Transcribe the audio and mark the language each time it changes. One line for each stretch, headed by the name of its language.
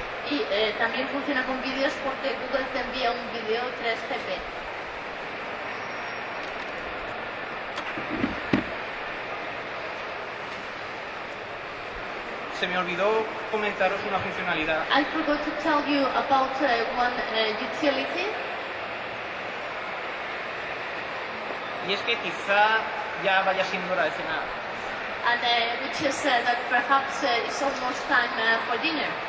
Spanish: Y también funciona con vídeos porque Google te envía un vídeo 3GP. Se me olvidó comentaros una funcionalidad.
English: I forgot to tell you about one utility.
Spanish: Y es que quizá ya vaya siendo hora de cenar.
English: And which is that perhaps it's almost time for dinner.